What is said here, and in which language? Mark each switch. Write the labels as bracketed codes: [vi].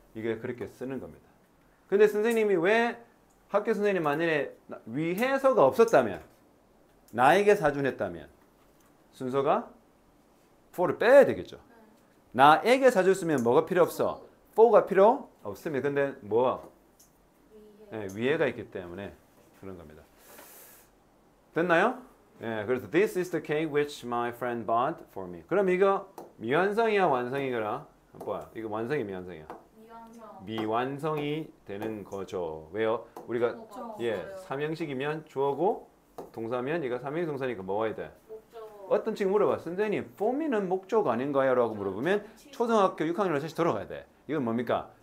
[ko] 이게 그렇게 쓰는 겁니다. 근데 선생님이 왜 학교 선생님 만일에 위해서가 없었다면 나에게 사준했다면 순서가 for를 빼야 되겠죠. 나에게 사줬으면 뭐가 필요 없어? for가 필요 없습니다. 근데 뭐? 위에. 네, 위에가 있기 때문에 그런 겁니다. 됐나요? 네, 그래서 [en] this is the cake which my friend bought for me. [ko] 그럼 이거 미완성이야 완성이거나? 뭐야? 이거 완성이 미완성이야? 미완성이 되는 거죠. 왜요? 우리가 예 삼형식이면 주어고 동사면 이거 삼형식 동사니까 뭐가 돼? 어떤 친구 물어봐. 선생님, for me는 목적 아닌가요? 라고 물어보면 초등학교 6학년을 다시 돌아가야 돼. 이건 뭡니까?